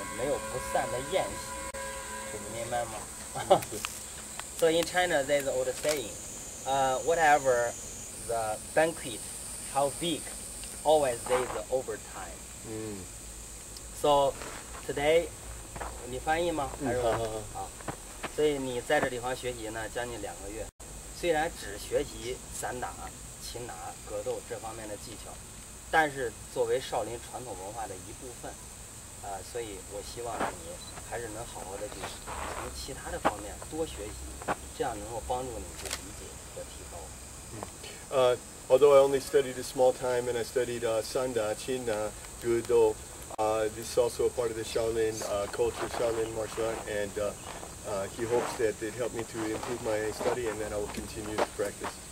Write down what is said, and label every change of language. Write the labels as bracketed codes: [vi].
[zh] 这个每一次啊，到这个快结束的时候，总有一位新的学员马上就要走，对吧？就是我们中国有一句话，千里搭长棚，没有不散的宴席，你明白吗？ [en] So in China, there's an old saying, whatever the banquet, how big, always there's the overtime. So today, [zh] 你翻译吗？还是我？好。所以你在这地方学习呢，将近两个月。虽然只学习散打、擒拿、格斗这方面的技巧，但是作为少林传统文化的一部分，所以我希望你还是能好好的去从其他的方面多学习，这样能够帮助你去理解和提高。 [en] Although I only studied a small time and I studied Sanda, Qinna, Gudo. This is also a part of the Shaolin culture, Shaolin martial art, and he hopes that it helped me to improve my study and then I will continue to practice.